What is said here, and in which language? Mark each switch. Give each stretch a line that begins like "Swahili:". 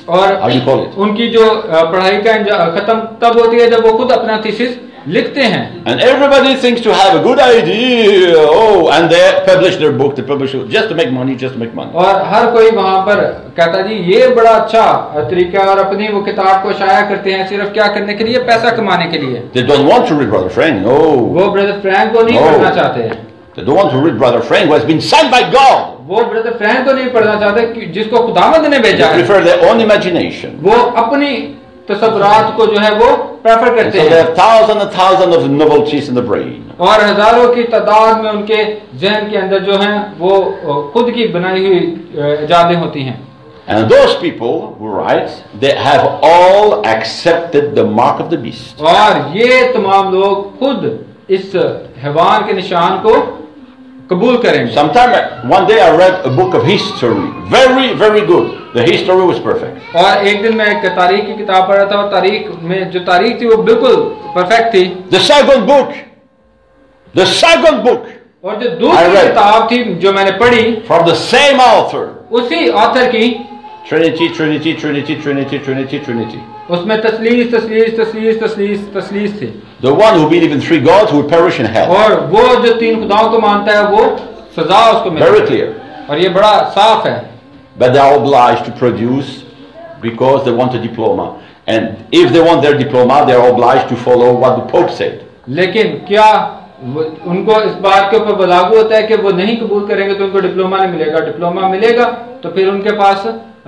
Hindi: और
English: how you call it?
Hindi: उनकी जो पढ़ाई का खत्म तब होती है जब वो खुद अपना थीसिस लिखते हैं.
English: And everybody thinks to have a good idea. Oh, and they publish their book. They publish it just to make money.
Hindi: और हर कोई वहाँ पर कहता जी ये बड़ा अच्छा तरीका और अपनी वो किताब को शाया करते हैं सिर्फ क्या करने के लिए पैसा कमाने के लिए.
English: They don't want to read Brother Frank. No.
Hindi: वो Brother Frank को नहीं पढ़ना चाहते.
English: They don't want to read Brother Frank who has been sent by God.
Hindi: वो Brother Frank को नहीं पढ़ना चाहते जिसको खुदावंद ने भेजा है.
English: They prefer their own imagination.
Hindi: वो अपनी तसव्वुरात को जो है वो प्रेफर करते हैं.
English: So they have thousands and thousands of novelties in the brain.
Hindi: और हजारों की तादाद में उनके जहन के अंदर जो है वो खुद की बनाई हुई इजादें होती हैं.
English: And those people who write, they have all accepted the mark of the beast.
Hindi: और ये तमाम लोग खुद इस हैवान के निशान को कबूल करेंगे.
English: Sometime, one day I read a book of history. Very, very good. The history was perfect.
Hindi: और एक दिन मैं एक तारीख की किताब पढ़ा था और तारीख में जो तारीख थी वो बिल्कुल परफेक्ट थी.
English: The second book.
Hindi: और जो दूसरी किताब थी जो मैंने पढ़ी.
English: From the same author.
Hindi: उसी author की.
English: Trinity.
Hindi: उसमें तस्लीस थी.
English: The one who believes in three gods will perish in hell.
Hindi: और वो जो तीन खुदाओं को मानता है वो सजा उसको मिलेगी.
English: Very clear.
Hindi: और ये बड़ा साफ है.
English: But they are obliged to produce because they want a diploma. And if they want their diploma, they are obliged to follow what the Pope said.
Hindi: लेकिन क्या उनको इस बात के ऊपर बलागू होता है कि वो नहीं कबूल करेंगे तो उनको डिप्लोमा नहीं मिलेगा. डिप्लोमा मिलेगा तो फिर उनके पास